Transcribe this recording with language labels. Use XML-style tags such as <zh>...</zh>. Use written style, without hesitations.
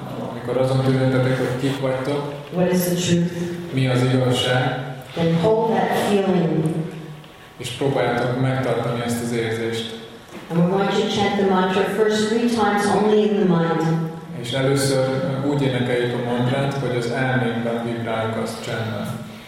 <hu>Amikor azon tűnöttetek, hogy kik vagytok.</hu> <en>What is the truth?</en> <hu>Mi az igazság?</hu> <en>Then hold that feeling.</en> <hu>És próbáljátok megtartani ezt az érzést.</hu> <en>And we want to chant the mantra first three times only in the mind.</en> <hu>És először úgy énekeljük a mantrát, hogy az elménkben vibráljuk azt csendben.</hu>